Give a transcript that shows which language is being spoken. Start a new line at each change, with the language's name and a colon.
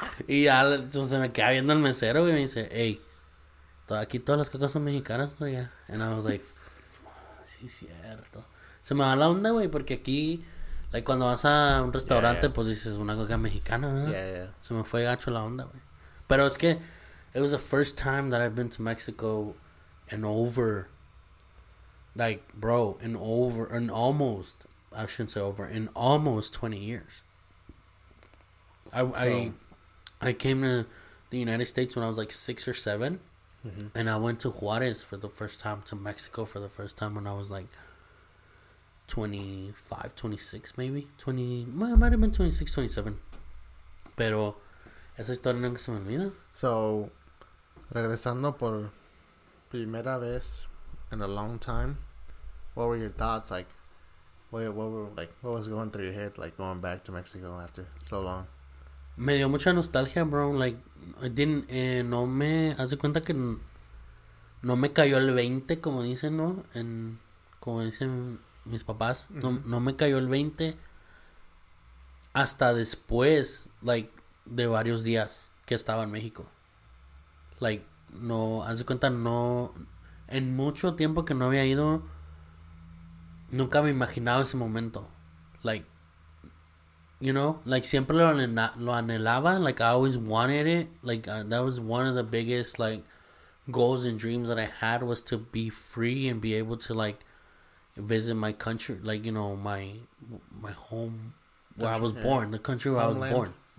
Spanish: Y ya se me queda viendo el mesero, güey, y me dice, hey. Aquí todas las cocas son mexicanas, ¿no? Ya.
English: And I was like,
Spanish: sí, cierto. Se me va la onda, güey, porque aquí, like, cuando vas a un restaurante, yeah, yeah, pues dices una coca mexicana, ¿verdad?
English: Yeah, yeah.
Spanish: Se me fue gacho la onda, güey. Pero es que,
English: it was the first time that I've been to Mexico in over, like, bro, in over, in almost, I shouldn't say over, in almost 20 years. I came to the United States when I was like 6 or 7. Mm-hmm. And I went to Juarez for the first time, to Mexico for the first time when I was like 25, 26 maybe.
Spanish: 20,
English: might have been
Spanish: 26, 27. Pero esa historia nunca se me olvida.
English: So,
Spanish: regresando por primera vez
English: in a long time, what were your thoughts? Like, what was going through your head, like going back to Mexico after so long?
Spanish: Me dio mucha nostalgia, bro. Like, no me... Haz de cuenta que no me cayó el 20, como dicen, ¿no? Como dicen mis papás. Mm-hmm. No me cayó el 20 hasta después, like, de varios días que estaba en México. Like, no... Haz de cuenta, no... En mucho tiempo que no había ido, nunca me imaginaba ese momento.
English: Like... You know, like,
Spanish: siempre lo anhelaba,
English: like, I always wanted it, like, that was one of the biggest, like, goals and dreams that I had was to be free and be able to, like, visit my country, like, you know, my home, where I was born, the country where I was born.